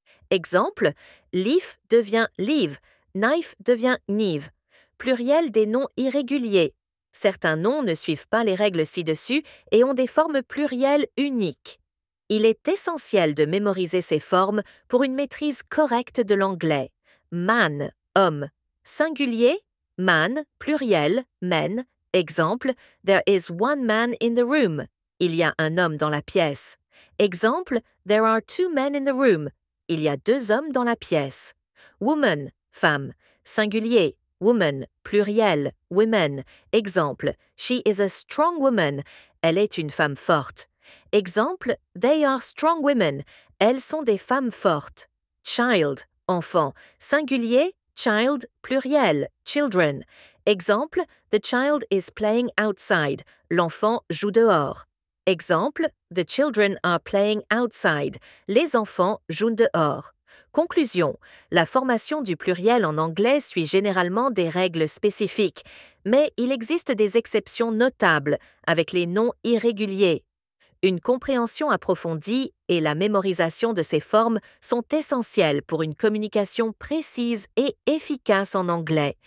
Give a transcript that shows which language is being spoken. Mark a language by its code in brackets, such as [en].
[fr] Exemple, leaf devient leave, knife devient knife. Pluriel des noms irréguliers. Certains noms ne suivent pas les règles ci-dessus et ont des formes plurielles uniques. Il est essentiel de mémoriser ces formes pour une maîtrise correcte de l'anglais. Man, homme. Singulier, man, pluriel, men. [en] Exemple, there is one man in the room. [fr] Il y a un homme dans la pièce. [en] Exemple, there are two men in the room. [fr] Il y a deux hommes dans la pièce. Woman, femme. Singulier, woman, pluriel, women. [en] Exemple, she is a strong woman. [fr] Elle est une femme forte. [en] Exemple, they are strong women. [fr] Elles sont des femmes fortes. Child, enfant. Singulier, child, pluriel, children. [en] Exemple, the child is playing outside. [fr] L'enfant joue dehors. [en] Exemple, the children are playing outside. [fr] Les enfants jouent dehors. Conclusion, la formation du pluriel en anglais suit généralement des règles spécifiques, mais il existe des exceptions notables avec les noms irréguliers. Une compréhension approfondie et la mémorisation de ces formes sont essentielles pour une communication précise et efficace en anglais.